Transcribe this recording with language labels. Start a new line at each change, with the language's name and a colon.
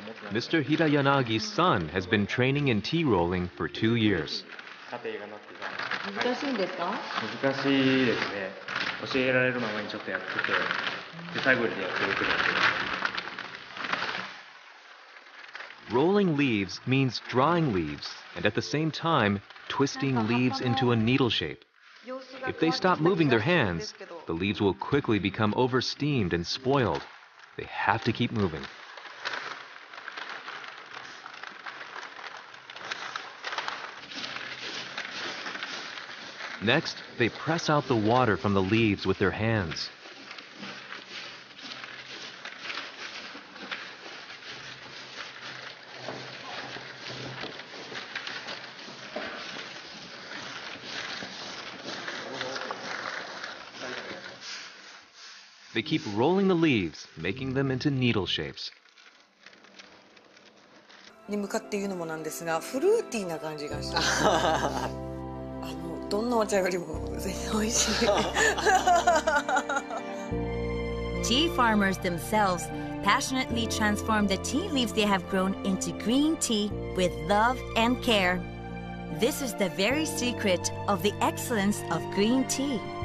English: Mr. Hirayanagi's son has been training in tea rolling for 2 years.
Japanese: 難しいんですか？難しいですね。教えられるままにちょっとやってて、手探りでやってるくらいで。
English: Rolling leaves means drying leaves, and at the same time, twisting leaves into a needle shape. If they stop moving their hands, the leaves will quickly become oversteamed and spoiled. They have to keep moving. Next, they press out the water from the leaves with their hands. They keep rolling the leaves, making them into needle shapes.
Japanese: に向かって言うのもなんですが、フルーティーな感じがした。どんなお茶よりも全然美味しい。
English: Tea farmers themselves passionately transform the tea leaves they have grown into green tea with love and care. This is the very secret of the excellence of green tea.